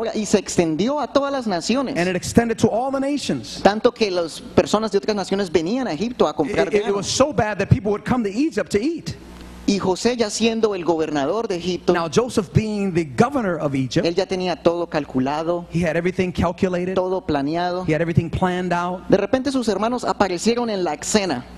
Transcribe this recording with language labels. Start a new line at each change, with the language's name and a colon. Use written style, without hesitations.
Spanish: Ahora, y se extendió a todas las naciones.
English: And it extended to all the nations.
Spanish: Tanto que las personas de otras naciones venían a Egipto a comprar grano.
English: It was so bad that people would come to Egypt to eat.
Spanish: Y José ya siendo el gobernador de Egipto.
English: Now Joseph being the governor of Egypt.
Spanish: Él ya tenía todo calculado.
English: He had everything calculated.
Spanish: Todo planeado.
English: He had everything planned out.
Spanish: De repente sus hermanos aparecieron en la escena.